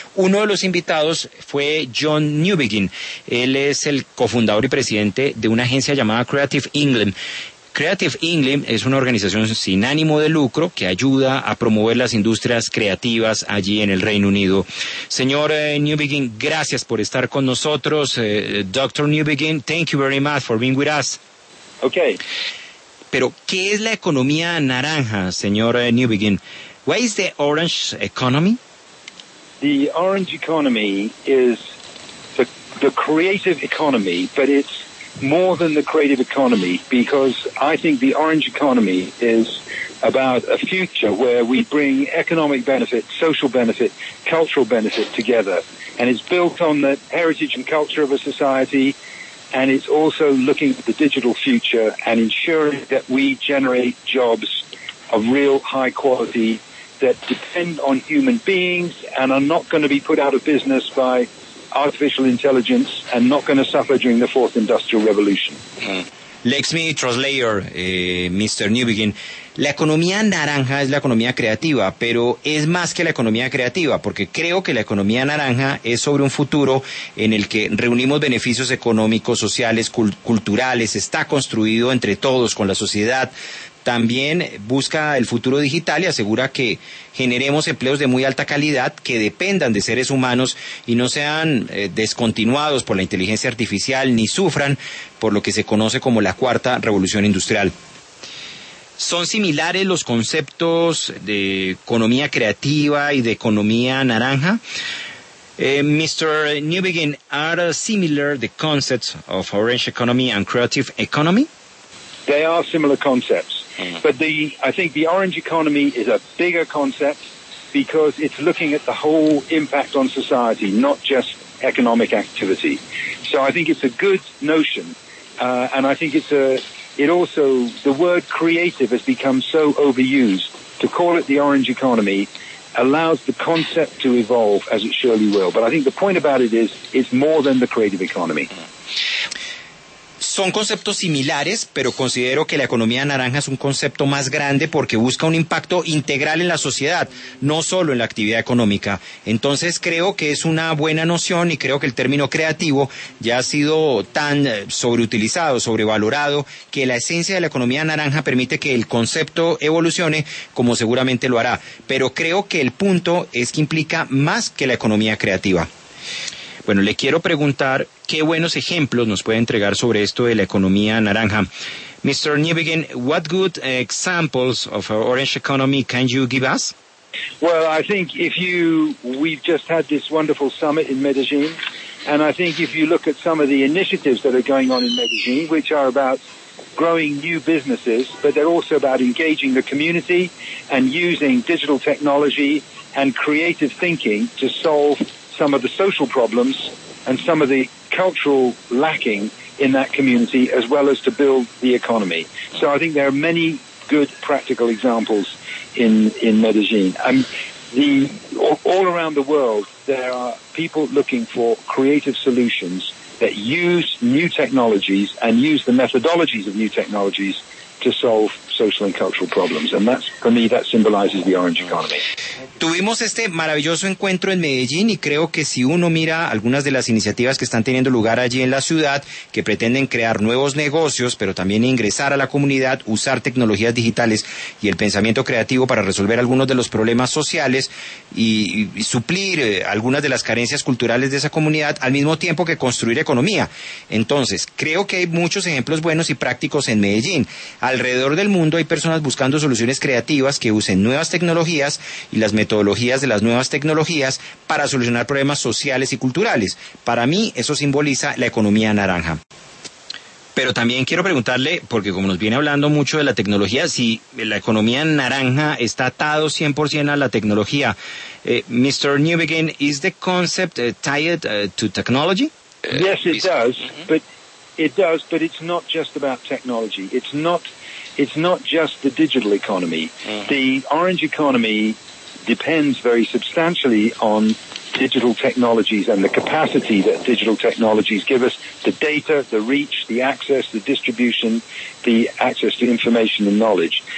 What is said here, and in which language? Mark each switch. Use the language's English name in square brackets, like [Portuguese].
[Spanish] Uno de los invitados fue John Newbegin. Él es el cofundador y presidente de una agencia llamada Creative England. Creative England es una organización sin ánimo de lucro que ayuda a promover las industrias creativas allí en el Reino Unido. Señor Newbegin, gracias por estar con nosotros. Dr. [English] Newbegin, thank you very much for being with us. Okay. [Spanish] Pero, ¿qué es la economía naranja, señor Newbegin? [English] What is the orange economy? The orange economy is the creative economy, but it's more than the creative economy, because I think the orange economy is about a future where we bring economic benefit, social benefit, cultural benefit together. And it's built on the heritage and culture of a society, and it's also looking at the digital future and ensuring that we generate jobs of real high quality that depend on human beings and are not going to be put out of business by artificial intelligence and not going to suffer during the fourth industrial revolution. Let me translate, Mr. Newbegin. [Spanish] La economía naranja es la economía creativa, pero es más que la economía creativa, porque creo que la economía naranja es sobre un futuro en el que reunimos beneficios económicos, sociales, culturales, está construido entre todos con la sociedad. También busca el futuro digital y asegura que generemos empleos de muy alta calidad que dependan de seres humanos y no sean descontinuados por la inteligencia artificial ni sufran por lo que se conoce como la cuarta revolución industrial. ¿Son similares los conceptos de economía creativa y de economía naranja? [English] Mr. Newbegin, are similar the concepts of orange economy and creative economy? They are similar concepts. But I think the orange economy is a bigger concept because it's looking at the whole impact on society, not just economic activity. So I think it's a good notion. And I think the word creative has become so overused. To call it the orange economy allows the concept to evolve, as it surely will. But I think the point about it is it's more than the creative economy. [Spanish] Son conceptos similares, pero considero que la economía naranja es un concepto más grande porque busca un impacto integral en la sociedad, no solo en la actividad económica. Entonces creo que es una buena noción y creo que el término creativo ya ha sido tan sobreutilizado, sobrevalorado, que la esencia de la economía naranja permite que el concepto evolucione como seguramente lo hará. Pero creo que el punto es que implica más que la economía creativa. Bueno, le quiero preguntar qué buenos ejemplos nos puede entregar sobre esto de la economía naranja. [English] Mr. Newbegin, what good examples of our orange economy can you give us? Well, I think we've just had this wonderful summit in Medellin, and I think if you look at some of the initiatives that are going on in Medellin, which are about growing new businesses, but they're also about engaging the community and using digital technology and creative thinking to solve some of the social problems and some of the cultural lacking in that community, as well as to build the economy. So I think there are many good practical examples in Medellin. And all around the world, there are people looking for creative solutions that use new technologies and use the methodologies of new technologies to solve social and cultural problems. And that's, for me, that symbolizes the orange economy. [Spanish] Tuvimos este maravilloso encuentro en Medellín y creo que si uno mira algunas de las iniciativas que están teniendo lugar allí en la ciudad, que pretenden crear nuevos negocios, pero también ingresar a la comunidad, usar tecnologías digitales y el pensamiento creativo para resolver algunos de los problemas sociales y suplir algunas de las carencias culturales de esa comunidad, al mismo tiempo que construir economía. Entonces, creo que hay muchos ejemplos buenos y prácticos en Medellín. A Alrededor del mundo hay personas buscando soluciones creativas que usen nuevas tecnologías y las metodologías de las nuevas tecnologías para solucionar problemas sociales y culturales. Para mí, eso simboliza la economía naranja. Pero también quiero preguntarle, porque como nos viene hablando mucho de la tecnología, si la economía naranja está atado 100% a la tecnología. [English] Mr. Newbegin, ¿is the concept tied to technology? Yes, it does, but it does, but it's not just about technology. It's not just the digital economy. The orange economy depends very substantially on digital technologies and the capacity that digital technologies give us, the data, the reach, the access, the distribution, the access to information and knowledge.